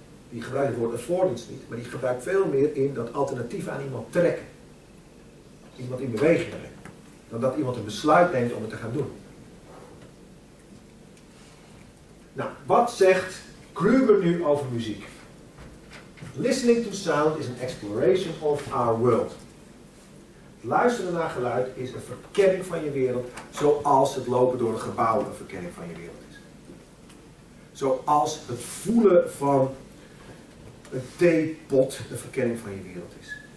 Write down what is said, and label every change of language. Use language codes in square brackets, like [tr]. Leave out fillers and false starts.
[nl] Die gebruikt het woord affordance niet, maar die gebruikt veel meer in dat alternatief aan iemand trekken. Iemand in beweging brengen. Dan dat iemand een besluit neemt om het te gaan doen. Nou, wat zegt Kruger nu over muziek? [en] Listening to sound is an exploration of our world. [nl] Luisteren naar geluid is een verkenning van je wereld, zoals het lopen door een gebouw een verkenning van je wereld is. Zoals het voelen van een theepot een verkenning van je wereld is.